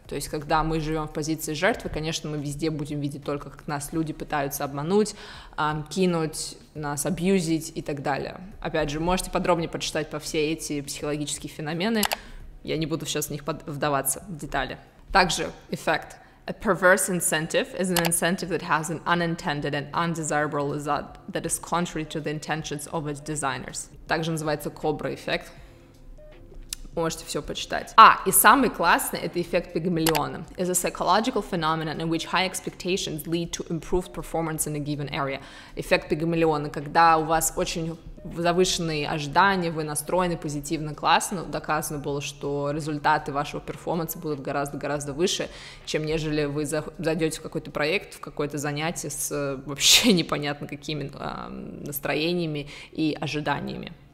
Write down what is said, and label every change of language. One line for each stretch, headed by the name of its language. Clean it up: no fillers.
Russian: То есть, когда мы живем в позиции жертвы, конечно, мы везде будем видеть только, как нас люди пытаются обмануть, кинуть, нас абьюзить и так далее. Опять же, можете подробнее почитать по все эти психологические феномены. Я не буду сейчас в них вдаваться в детали. Также эффект.
English: A perverse incentive is an incentive that has an unintended and undesirable result that is contrary to the intentions of its designers.
Russian: Также называется кобра-эффект. Можете все почитать. А, и самый классный — это эффект Пигмалиона.
English: It's a psychological phenomenon in which high expectations lead to improved performance in a given area.
Russian: Эффект Пигмалиона, когда у вас очень завышенные ожидания, вы настроены позитивно, классно, доказано было, что результаты вашего перформанса будут гораздо-гораздо выше, чем нежели вы зайдете в какой-то проект, в какое-то занятие с вообще непонятно какими настроениями и ожиданиями.